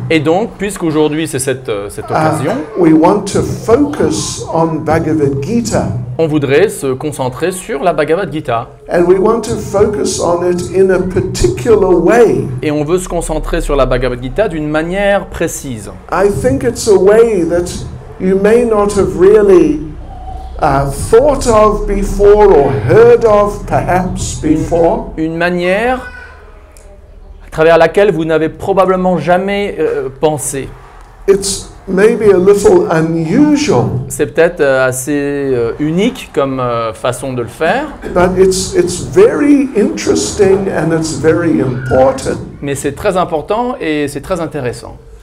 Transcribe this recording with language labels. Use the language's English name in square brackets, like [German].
[French] Et donc, puisqu'aujourd'hui c'est cette occasion. [English] We want to focus on Bhagavad Gita. [French] On voudrait se concentrer sur la Bhagavad Gita. [English] And we want to focus on it in a particular way. [French] Et on veut se concentrer sur la Bhagavad Gita d'une manière précise. [English] I think it's a way that you may not have really thought of before or heard of perhaps before. [French] Une manière à travers laquelle vous n'avez probablement jamais pensé. [English] It's maybe a little unusual. [French] C'est peut-être assez unique comme façon de le faire. [English] But it's very interesting and it's very important. [French] Mais c'est très important et c'est très intéressant.